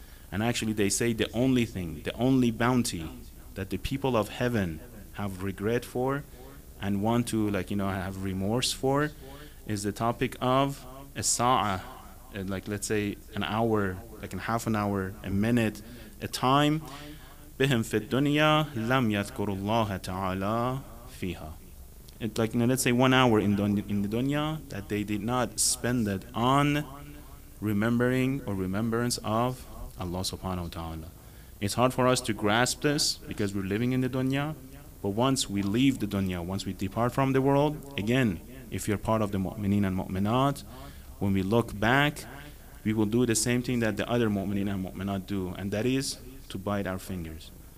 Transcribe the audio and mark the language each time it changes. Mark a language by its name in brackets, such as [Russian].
[English] And actually they say the only thing, the only bounty that the people of heaven have regret for and want to, like, you know, have remorse for is the topic of a sa'ah, like, let's say, an hour, like in half an hour, a minute, a time. [Arabic] بهم في الدنيا لم يذكر الله تعالى فيها. [English] It's like, you know, let's say 1 hour in the dunya that they did not spend it on remembering or remembrance of Allah subhanahu wa ta'ala. It's hard for us to grasp this because we're living in the dunya, but once we leave the dunya, once we depart from the world, again, if you're part of the mu'minin and mu'minat, when we look back, we will do the same thing that the other mu'minin and mu'minat do, and that is to bite our fingers.